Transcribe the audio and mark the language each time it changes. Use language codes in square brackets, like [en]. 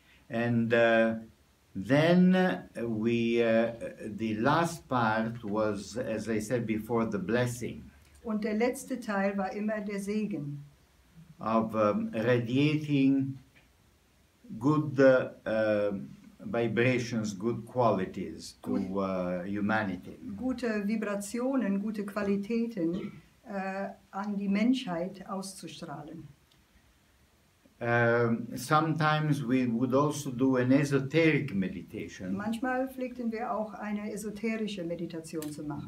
[en] And then we, the last part was, as I said before, the blessing. [de] Und der letzte Teil war immer der Segen. [en] Of radiating good vibrations, good qualities to humanity. [de] Gute Vibrationen, gute Qualitäten an die Menschheit auszustrahlen. [en] Sometimes we would also do an esoteric meditation. [de] Manchmal pflegten wir auch eine esoterische Meditation zu machen.